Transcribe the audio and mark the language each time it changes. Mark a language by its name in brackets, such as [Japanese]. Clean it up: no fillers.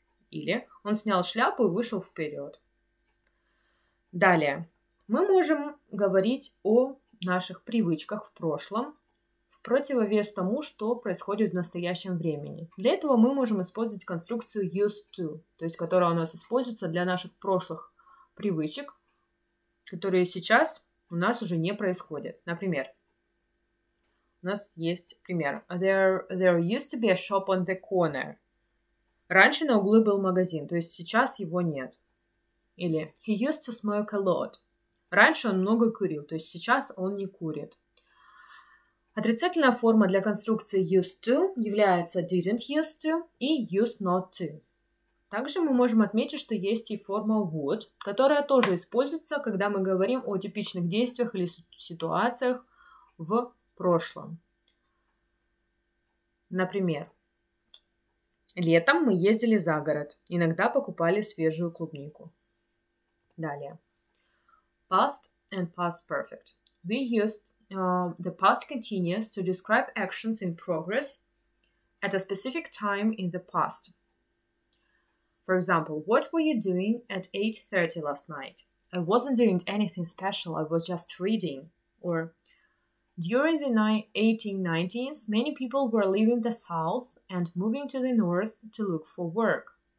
[Russian] Или он снял шляпу и вышел вперед. Далее, мы можем говорить о наших привычках в прошлом в противовес тому, что происходит в настоящем времени. Для этого мы можем использовать конструкцию used to, то есть которая у нас используется для наших прошлых привычек, которые сейчас у нас уже не происходят. Например, у нас есть пример. [English] There used to be a shop on the corner. [Russian] Раньше на углу был магазин, то есть сейчас его нет. Или [English] he used to smoke a lot. [Russian] Раньше он много курил, то есть сейчас он не курит. Отрицательная форма для конструкции used to является didn't used to и used not to. Также мы можем отметить, что есть и форма would, которая тоже используется, когда мы говорим о типичных действиях или ситуациях в прошлом. Например, летом мы ездили за город, иногда покупали свежую клубнику. Далее. [English] Past and past perfect. We used the past continuous to describe actions in progress at a specific time in the past. For example, what were you doing at 8:30 last night? I wasn't doing anything special, I was just reading. Or, during the 1890s, many people were leaving the South and moving to the North to look for work.